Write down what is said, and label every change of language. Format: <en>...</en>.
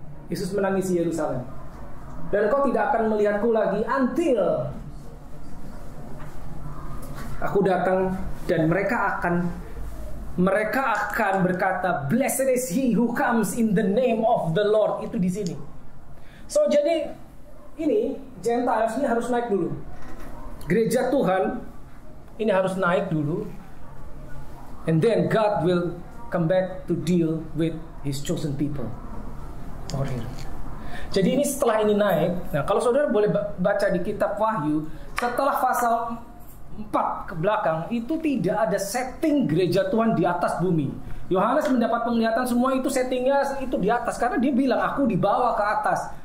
<id>Yesus menangisi Yerusalem. Dan kau tidak akan melihatku lagi until aku datang, dan mereka akan berkata,</id> <en>blessed is he who comes in the name of the Lord.</en> <id>Itu di sini. So jadi ini Gentiles ini harus naik dulu. Gereja Tuhan ini harus naik dulu.</id> <en>And then God will come back to deal with his chosen people. Order.</en> <id>Jadi ini setelah ini naik. Nah, kalau saudara boleh baca di Kitab Wahyu, setelah pasal 4 ke belakang itu tidak ada setting gereja Tuhan di atas bumi. Yohanes mendapat penglihatan, semua itu settingnya itu di atas, karena dia bilang aku dibawa ke atas.</id>